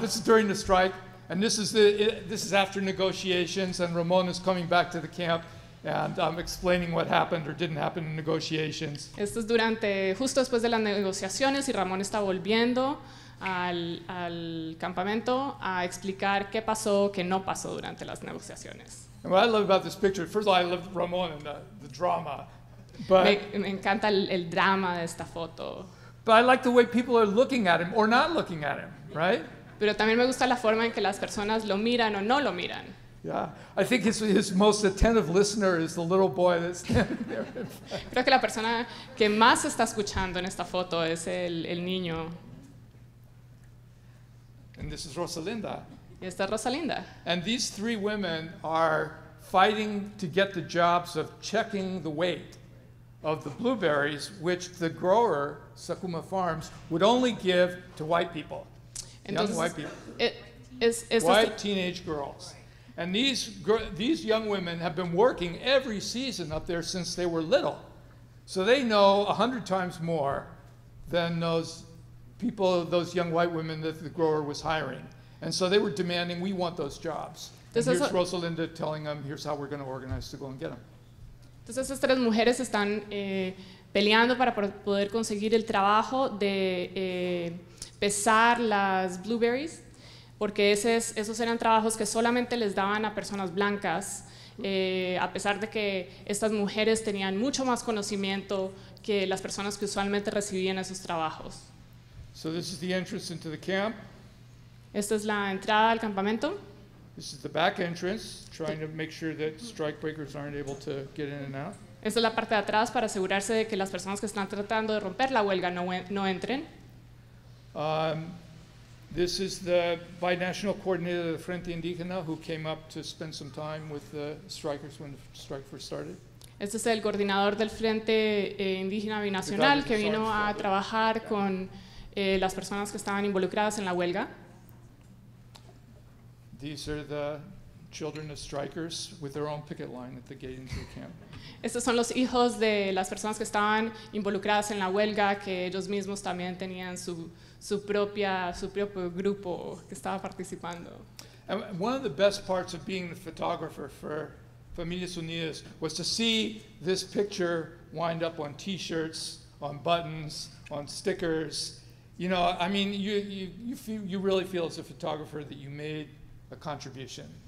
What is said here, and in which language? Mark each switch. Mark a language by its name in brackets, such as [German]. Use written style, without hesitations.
[English] This is during the strike, and this is after negotiations, and Ramón is coming back to the camp, and I'm explaining what happened or didn't happen in negotiations. [Spanish] Esto es durante justo después de las negociaciones y Ramón está volviendo al campamento a explicar qué pasó, qué no pasó durante las negociaciones. [English] And what I love about this picture, first of all, I love Ramón and the drama. But [Spanish] me encanta el drama de esta foto. [English] But I like the way people are looking at him or not looking at him, right? [Spanish] Pero también me gusta la forma en que las personas lo miran o no lo miran. [English] Yeah, I think his most attentive listener is the little boy that's standing there. [Spanish] Creo que la persona que más está escuchando en esta foto es el niño. [English] And this is Rosalinda. [Spanish] Y esta es Rosalinda. [English] And these three women are fighting to get the jobs of checking the weight of the blueberries, which the grower, Sakuma Farms, would only give to white people. [Spanish] Entonces, [English] young white people. White teenage girls. And these young women have been working every season up there since they were little. So they know 100 times more than those people, those young white women that the grower was hiring. And so they were demanding, we want those jobs. And here's Rosalinda telling them, here's how we're going to organize to go and get them. [Spanish] Entonces estas tres mujeres están peleando para poder conseguir el trabajo de pesar las blueberries, porque esos eran trabajos que solamente les daban a personas blancas, a pesar de que estas mujeres tenían mucho más conocimiento que las personas que usualmente recibían esos trabajos. [English] So this is the entrance into the camp. [Spanish] Esta es la entrada al campamento. [English] This is the back entrance, trying to make sure that strike breakers aren't able to get in and out. [Spanish] Esta es la parte de atrás para asegurarse de que las personas que están tratando de romper la huelga no entren. [English] This is the bi-national coordinator of the Frente Indígena who came up to spend some time with the strikers when the strike first started. [Spanish] Este es el coordinador del Frente Indígena Binacional que vino a trabajar con las personas que estaban involucradas en la huelga. [English] These are the children of strikers with their own picket line at the gate into the camp. [Spanish] Estos son los hijos de las personas que estaban involucradas en la huelga, que ellos mismos también tenían su propio grupo que estaba participando. [English] And one of the best parts of being the photographer for Familias Unidas was to see this picture wind up on T-shirts, on buttons, on stickers. You know, I mean, you really feel as a photographer that you made a contribution.